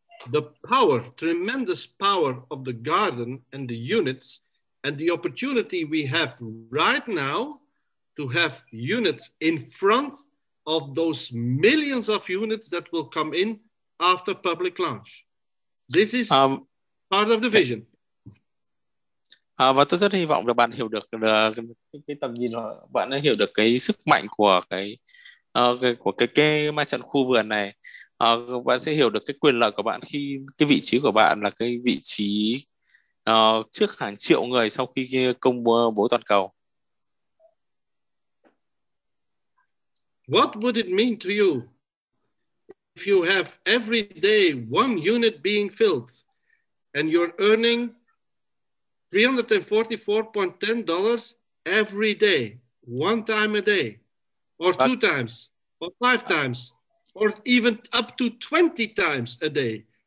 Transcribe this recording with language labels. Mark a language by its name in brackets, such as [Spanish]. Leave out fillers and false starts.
[English] the power, tremendous power of the garden and the units, and the opportunity we have right now to have units in front of those millions of units that will come in after public launch. This is part of the vision. [Vietnamese] Và tôi rất hy vọng là bạn hiểu được cái tầm nhìn, bạn đã hiểu được cái sức mạnh của cái ma trận khu vườn này. Bạn sẽ hiểu được cái quyền lợi của bạn khi cái vị trí của bạn là cái vị trí trước hàng triệu người sau khi công bố toàn cầu. [English] What would it mean to you if you have every day one unit being filled and you're earning $344.10 every day, one time a day, or two times, or five times, or even up to 20 times a day?